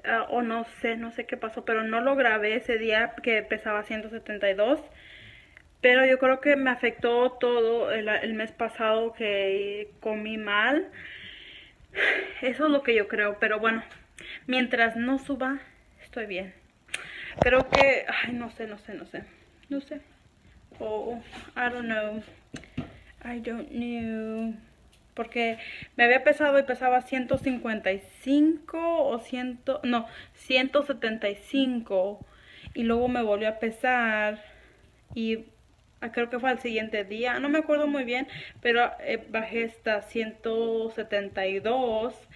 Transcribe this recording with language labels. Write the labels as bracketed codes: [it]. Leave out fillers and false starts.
[es] O no sé, no sé qué pasó, pero no lo grabé ese día que pesaba 172. Pero yo creo que me afectó todo el mes pasado que comí mal. Eso es lo que yo creo, pero bueno, mientras no suba, estoy bien. Creo que, ay, no sé, no sé, no sé. No sé. [en] Oh, I don't know. I don't know. [es] Porque me había pesado y pesaba 155 o 100, no, 175. Y luego me volvió a pesar. Y creo que fue al siguiente día. No me acuerdo muy bien. Pero bajé hasta 172.